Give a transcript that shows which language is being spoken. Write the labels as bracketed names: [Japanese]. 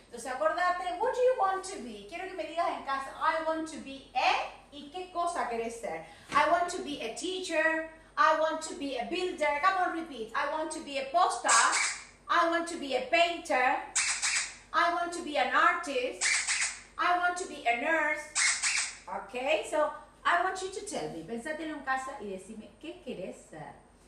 [Spanish] Entonces acordate, [English] what do you want to be? [Spanish] Quiero que me digas en casa, [English] I want to be a, [Spanish] y qué cosa quieres ser. [English] I want to be a teacher, I want to be a builder. Come on, repeat. I want to be a pop star, I want to be a painter, I want to be an artist, I want to be a nurse. Okay, so I want you to tell me. [Spanish] Pensate en un caso y decime qué querés ser.